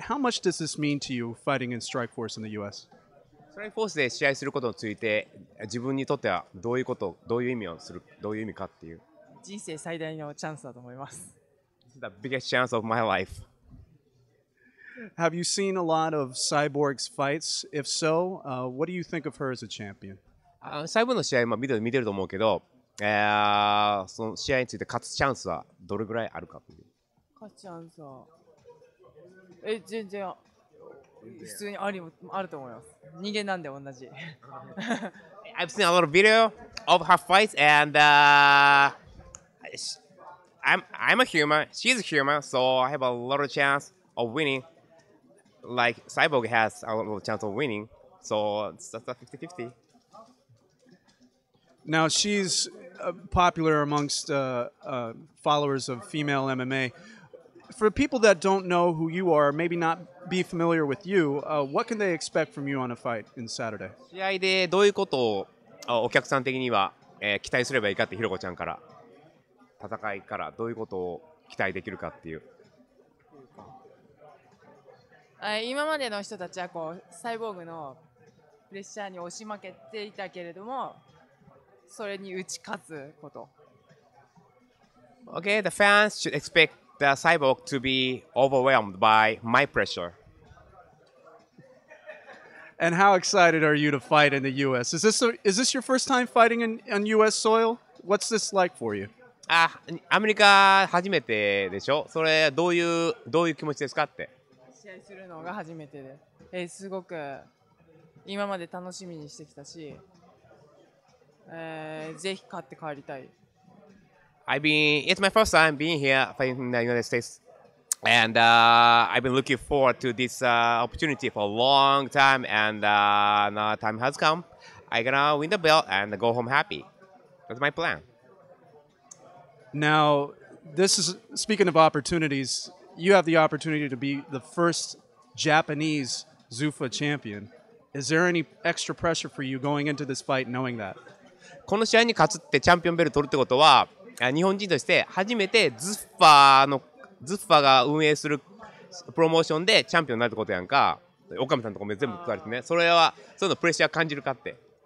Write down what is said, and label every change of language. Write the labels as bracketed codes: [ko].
[en] How much does this mean to you, fighting in Strikeforce in the U.S.? [ja] Strikeforce で試合することについて、自分にとってはどういうこと、どういう意味をする、どういう意味かっていう。人生最大のチャンスだと思います。 [en] The biggest chance of my life. Have you seen a lot of Cyborg's fights? If so, what do you think of her as a champion? [ja] Cyborg の試合も見てると思うけど、その試合について勝つチャンスはどれぐらいあるかっていう。勝つチャンスは、全然普通にあると思います。人間なんで同じ。 [en] I've seen a lot of video of her fights and I'm a human. She's a human, so I have a lot of chance of winning. Like Cyborg has a lot of chance of winning, so that's a 50-50. Now, she's popular amongst followers of female MMA. For people that don't know who you are, maybe not be familiar with you, what can they expect from you on a fight in Saturday? [ja] 試合でどういうことをお客さん的には、期待すればいいかって、ひろこちゃんから。戦いからどういうことを期待できるかっていう。今までの人たちはこうサイボーグのプレッシャーに押し負けていたけれども、それに打ち勝つこと。 [en] Okay, the fans should expect the cyborg to be overwhelmed by my pressure. And how excited are you to fight in the U.S.? Is this your first time fighting on U.S. soil? What's this like for you? [ja] アメリカ初めてでしょ？それどういう気持ちですかって。試合するのが初めてで、すごく今まで楽しみにしてきたし。ぜひ買って帰りたい。 [en] It's my first time being here fighting in the United States. And I've been looking forward to this opportunity for a long time. And now time has come. I'm gonna win the belt and go home happy. That's my plan. Now, this is speaking of opportunities, you have the opportunity to be the first Japanese Zuffa champion. Is there any extra pressure for you going into this fight knowing that? [ja] この試合に勝つってチャンピオンベル取るってことは日本人として初めてズッファが運営するプロモーションでチャンピオンになるってことやんか岡部さんとかも全部取られてねそれはそういうのプレッシャー感じるかって、